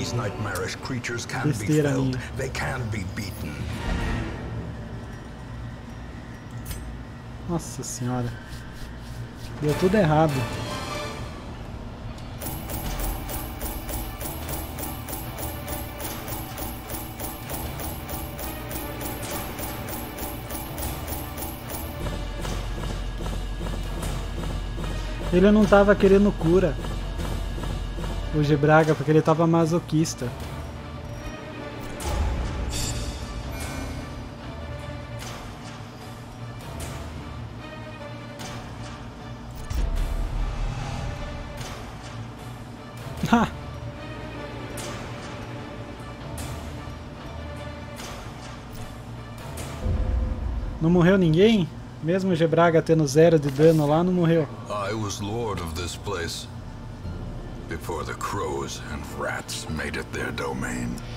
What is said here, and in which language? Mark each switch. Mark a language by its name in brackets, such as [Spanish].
[English] These nightmarish creatures can be felled. They can be beaten. [Portuguese] Nossa senhora, deu tudo errado. Ele não tava querendo cura. O Gibraga, porque ele tava masoquista. Não morreu ninguém? Mesmo o Gebraga tendo zero de dano lá, não morreu. [English] I was lord of this place before the crows and rats made it their domain.